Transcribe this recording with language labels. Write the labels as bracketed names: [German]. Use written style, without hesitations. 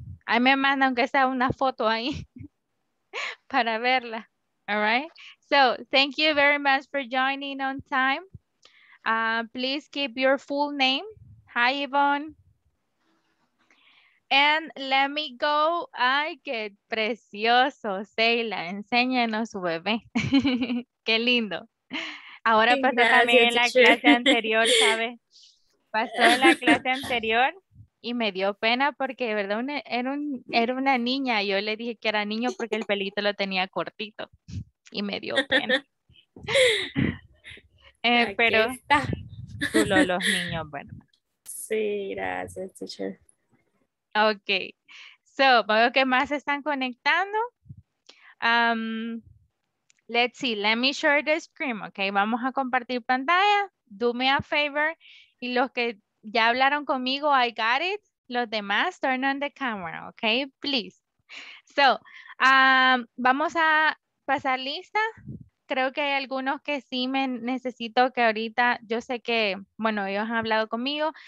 [Spanish] Ahí me manda aunque sea una foto ahí para verla, [English] all right. So, thank you very much for joining on time. Please keep your full name. Hi, Yvonne. And let me go. [Spanish] Ay, qué precioso, Seila. Enséñanos su bebé. Qué lindo. Ahora pasó también en la clase anterior, ¿sabes? Pasó en la clase anterior y me dio pena porque, de verdad, era una niña. Yo le dije que era niño porque el pelito lo tenía cortito. Y me dio pena. pero solo los niños, bueno. Sí, gracias, teacher. Ok. So, veo que más se están conectando. [English] Let's see, let me share the screen, okay? [Spanish] Vamos a compartir pantalla. [English] Do me a favor. [Spanish] Y los que ya hablaron conmigo, [English] I got it. [Spanish] Los demás, [English] turn on the camera, okay? Please. [Spanish] So, vamos a pasar lista. Creo que hay algunos que sí me necesito que ahorita, yo sé que, bueno, ellos han hablado conmigo.